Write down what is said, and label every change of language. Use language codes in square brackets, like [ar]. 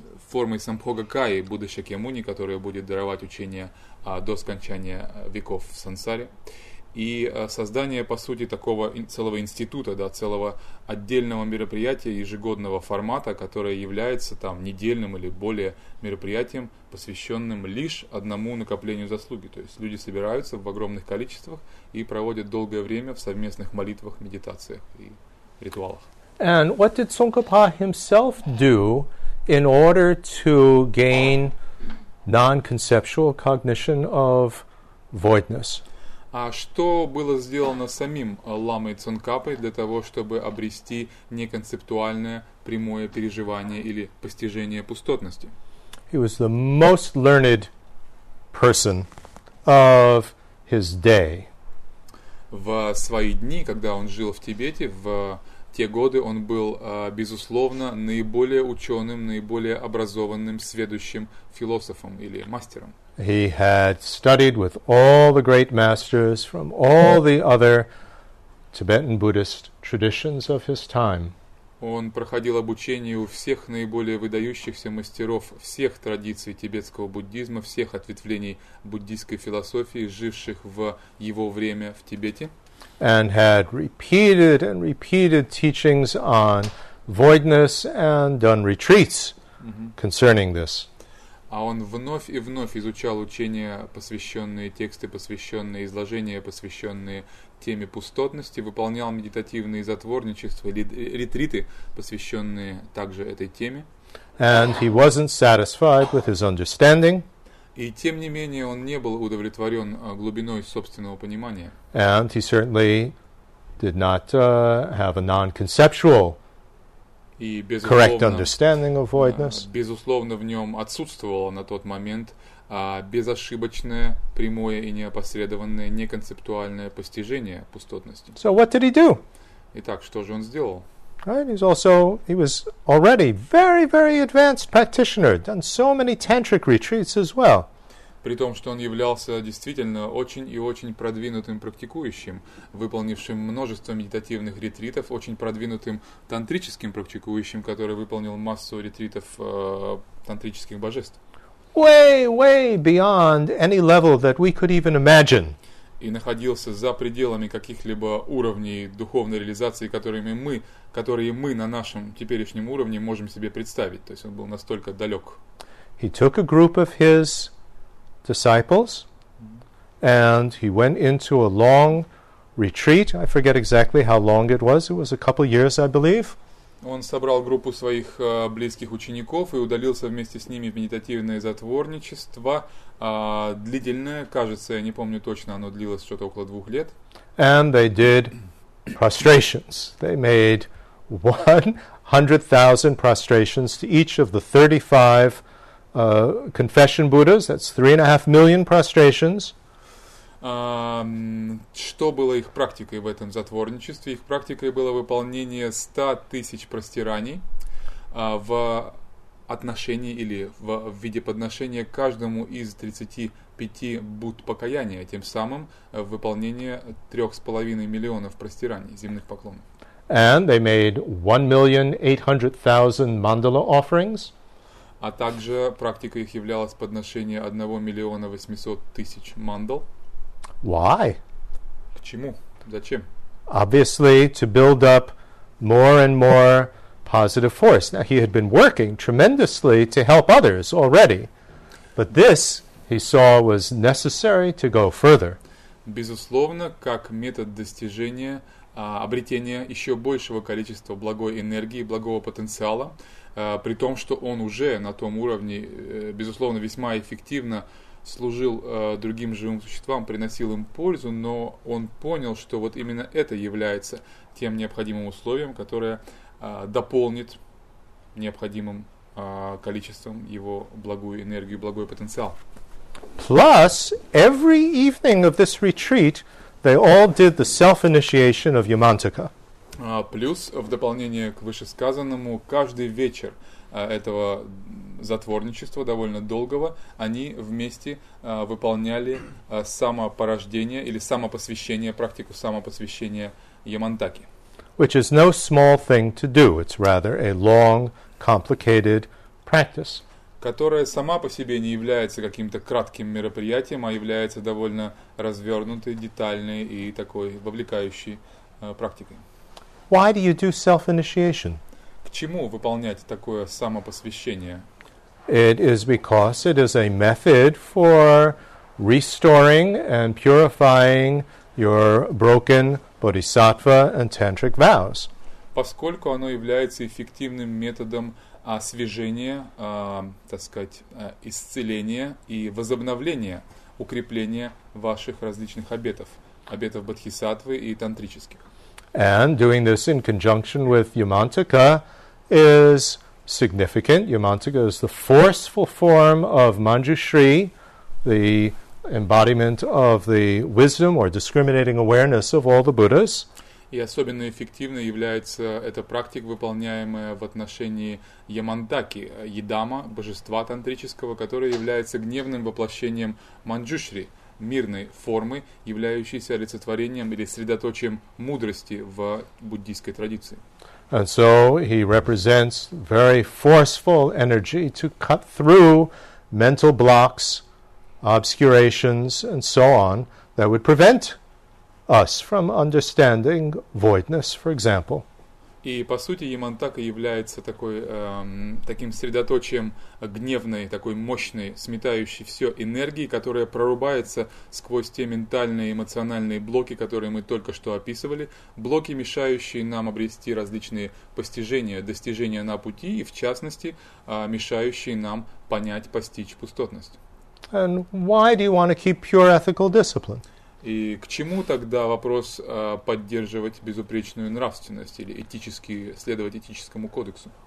[ru] формой Самбхогакаи, Будды Шакьямуни, которая будет даровать учение до скончания веков в сансаре, и создание, по сути, такого целого института, да, целого отдельного мероприятия ежегодного формата, которое является там недельным или более мероприятием, посвященным лишь одному накоплению заслуги. То есть люди собираются в огромных количествах и проводят долгое время в совместных молитвах, медитациях и ритуалах. [en] And what did Tsongkhapa himself do in order to gain non-conceptual cognition of voidness? [ru] А что было сделано самим ламой Цонкапой для того, чтобы обрести неконцептуальное прямое переживание или постижение пустотности? [en] He was the most learned person of his day. [ru] В свои дни, когда он жил в Тибете, в те годы он был, безусловно, наиболее ученым, наиболее образованным, сведущим философом или мастером. [en] He had studied with all the great masters from all the other Tibetan Buddhist traditions of his time. [ru] Он проходил обучение у всех наиболее выдающихся мастеров всех традиций тибетского буддизма, всех ответвлений буддийской философии, живших в его время в Тибете. [en] And had repeated and repeated teachings on voidness and done retreats concerning this. [ru] А он вновь и вновь изучал учения, посвященные тексты, посвященные изложения, посвященные теме пустотности, выполнял медитативные затворничества, ретриты, посвященные также этой теме. [en] And he wasn't satisfied with his understanding. [ru] И тем не менее он не был удовлетворен глубиной собственного понимания. [en] And he certainly did not have a non-conceptual correct understanding of voidness. [ru] Безусловно, в нем отсутствовало на тот момент безошибочное, прямое и неопосредованное, неконцептуальное постижение пустотности. [en] So what did he do? [ru] Итак, что же он сделал? [en] Right, he was already very, very advanced practitioner, done so many tantric retreats as well. [ru] При том, что он являлся действительно очень и очень продвинутым практикующим, выполнившим множество медитативных ретритов, очень продвинутым тантрическим практикующим, который выполнил массу ретритов тантрических божеств. [en] Way, way beyond any level that we could even imagine. [ru] И находился за пределами каких-либо уровней духовной реализации, которые мы на нашем теперешнем уровне можем себе представить. То есть он был настолько далек. [en] He took a group of his disciples, and he went into a long retreat. I forget exactly how long it was. It was a couple years, I believe. [ru] Он собрал группу своих близких учеников и удалился вместе с ними в медитативное затворничество. Длительное, кажется, я не помню точно, оно длилось что-то около 2 лет. [en] And they did prostrations. They made 100,000 prostrations to each of the 35 confession Buddhas. That's 3.5 million prostrations. [ru] Что было их практикой в этом затворничестве? Их практикой было выполнение 100,000 простираний в отношении или в виде подношения каждому из 35 будд покаяния, тем самым выполнение 3.5 миллионов простираний, земных поклонов. [en] And they made 1,800,000 mandala offerings. [ru] А также практика их являлась подношение 1,800,000 мандал. [en] Why? [ru] К чему? Зачем? [en] Obviously, to build up more and more positive force. Now, he had been working tremendously to help others already, but this, he saw, was necessary to go further. [ru] Безусловно, как метод достижения, обретения еще большего количества благой энергии, благого потенциала, при том, что он уже на том уровне, безусловно, весьма эффективно служил другим живым существам, приносил им пользу, но он понял, что вот именно это является тем необходимым условием, которое дополнит необходимым количеством его благую энергию, благой потенциал. [en] Plus, every evening of this retreat, they all did the self-initiation of Yamantaka. [ru] Плюс, в дополнение к вышесказанному, каждый вечер этого затворничества, довольно долгого, они вместе выполняли самопорождение или самопосвящение, практику самопосвящения Ямантаки. [en] Which is no small thing to do. It's rather a long, complicated practice. [ru] Которая сама по себе не является каким-то кратким мероприятием, а является довольно развернутой, детальной и такой вовлекающей практикой. [en] Why do you do self-initiation? [ru] К чему выполнять такое самопосвящение? [en] It is because it is a method for restoring and purifying your broken bodhisattva and tantric vows. [ru] Поскольку оно является эффективным методом освежения, так сказать, исцеления и возобновления, укрепления ваших различных обетов, обетов бодхисаттвы и тантрических. [en] And doing this in conjunction with Yamantaka is significant. Yamantaka is the forceful form of Manjushri, the embodiment of the wisdom or discriminating awareness of all the Buddhas. [ru] И особенно эффективной является эта практика, выполняемая в отношении Ямантаки, Ядама, божества тантрического, которое является гневным воплощением Манджушри, мирной формы, являющейся олицетворением или средоточием мудрости в буддийской традиции. [en] And so he represents very forceful energy to cut through mental blocks, obscurations, and so on that would prevent us from understanding voidness, for example. [ru] И по сути Ямантака является такой таким средоточием гневной, такой мощной, сметающей все энергии, которая прорубается сквозь те ментальные, эмоциональные блоки, которые мы только что описывали, блоки, мешающие нам обрести различные постижения, достижения на пути и, в частности, мешающие нам понять, постичь пустотность. [en] And why do you want to keep pure ethical discipline? [ru] И к чему тогда вопрос поддерживать безупречную нравственность или этически следовать этическому кодексу?